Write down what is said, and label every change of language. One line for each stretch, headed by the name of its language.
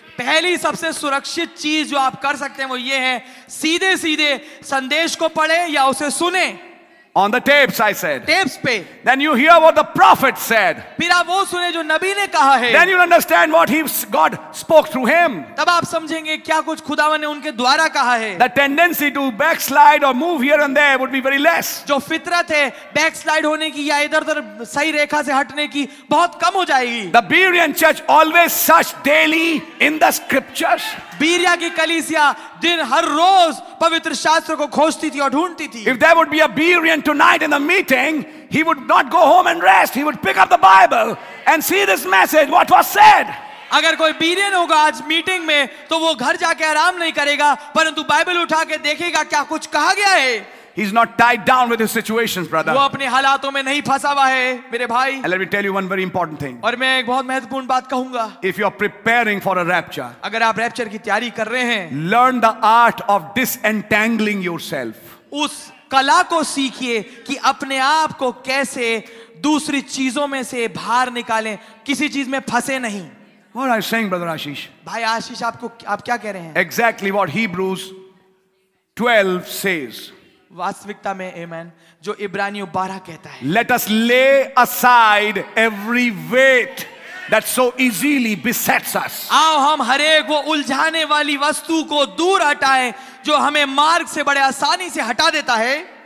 Hindi: पहली सबसे सुरक्षित चीज जो आप कर सकते हैं वो ये है, सीधे सीधे संदेश को पढ़ें या उसे सुने.
English: On the tapes, I said.
Hindi: Tapes पे.
English: Then you hear what the prophet said.
Hindi: फिर आप वो सुने जो नबी ने कहा है.
English: Then you understand what he, God spoke through him.
Hindi: तब आप समझेंगे क्या कुछ खुदावन ने उनके द्वारा कहा है.
English: The tendency to backslide or move here and there would be very less.
Hindi: जो फितरत है backslide होने की या इधर उधर सही रेखा से हटने की बहुत कम हो जाएगी.
English: The Berean church always search daily in the scriptures.
Hindi: बीरिया की कलीसिया दिन हर रोज पवित्र शास्त्र को खोजती थी और ढूंढती थी.
English: If there would be a Berean tonight in the meeting, he would not go home and rest. He would pick up the Bible and see this message, what was said.
Hindi: अगर कोई बीरियन होगा आज मीटिंग में तो वो घर जाके आराम नहीं करेगा, परंतु बाइबल उठा के देखेगा क्या कुछ कहा गया है.
English: He's not tied down with his situations, brother.
Hindi: वो अपने हालातों में नहीं फंसा हुआ है मेरे भाई.
English: And let me tell you one very important thing.
Hindi: और मैं एक बहुत महत्वपूर्ण बात कहूंगा.
English: If you are preparing for a rapture,
Hindi: अगर आप रैप्चर की तैयारी कर रहे हैं,
English: learn the art of disentangling yourself.
Hindi: उस कला को सीखिए कि अपने आप को कैसे दूसरी चीजों में से बाहर निकालें, किसी चीज में फंसे नहीं.
English: What are you saying, brother Ashish?
Hindi: भाई आशीष, आपको आप क्या कह रहे हैं?
English: Exactly what Hebrews 12 says.
Hindi: वास्तविकता में आमेन जो इब्रानियों 12 कहता है.
English: Let us lay aside every weight that so easily besets us.
Hindi: आओ हम हर एक वो उलझाने वाली वस्तु को दूर हटाएं जो हमें मार्ग से बड़े आसानी से हटा देता है.